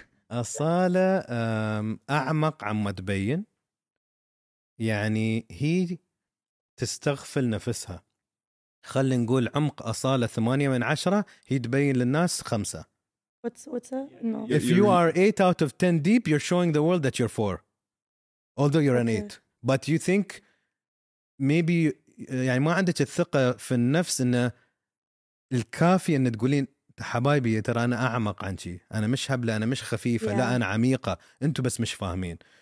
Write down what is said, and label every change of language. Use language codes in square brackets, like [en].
[ar] أصالة أعمق عما تبين، يعني هي تستغفل نفسها. خلي نقول عمق أصالة 8/10، هي تبين للناس 5. [en] What's If you are 8/10 deep, you're showing the world that you're 4, although you're an 8. But you think maybe [ar] يعني ما عندك الثقة في النفس إنه الكافي إن تقولين حبايبي ترى أنا أعمق عن شيء، أنا مش هبلة، أنا مش خفيفة، لا أنا عميقة، أنتوا بس مش فاهمين.